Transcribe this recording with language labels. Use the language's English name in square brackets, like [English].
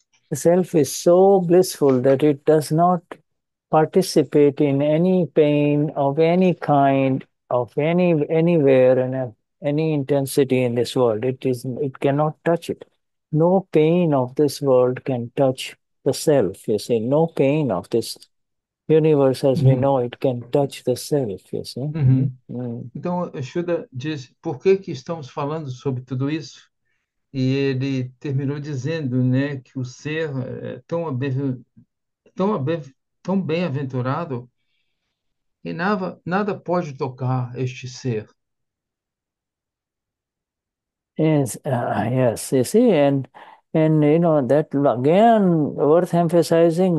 [English] The self is so blissful that it does not participate in any pain of any kind, of anywhere and of any intensity in this world. It cannot touch it. No pain of this world can touch the self, you see. No pain of this Universe as we know it can touch the self, you see? [Portuguese] Então, Yoda diz, por que que estamos falando sobre tudo isso? E ele terminou dizendo, né, que o ser é tão bem-aventurado e nada pode tocar este ser. [English] Yes, you see, and you know that again worth emphasizing.